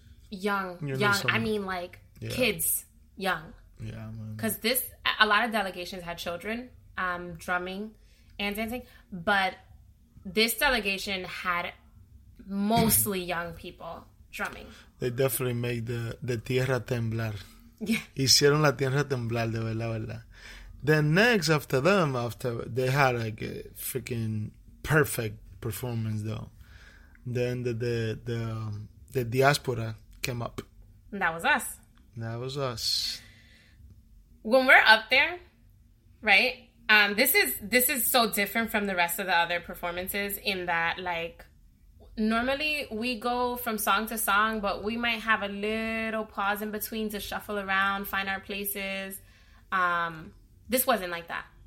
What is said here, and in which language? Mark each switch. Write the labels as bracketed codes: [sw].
[en] Young. I mean, like, yeah. Kids. Young. Yeah, man. Because a lot of delegations had children drumming and dancing. But this delegation had mostly young people drumming. They definitely made the [es] tierra temblar. [en] Yeah. [es] Hicieron la tierra temblar, de verdad, verdad. [en] Then next, after them, after they had like a freaking perfect performance, though. Then the diaspora came up. That was us. When we're up there, right? This is so different from the rest of the other performances in that, like, normally we go from song to song, but we might have a little pause in between to shuffle around, find our places. This wasn't like that.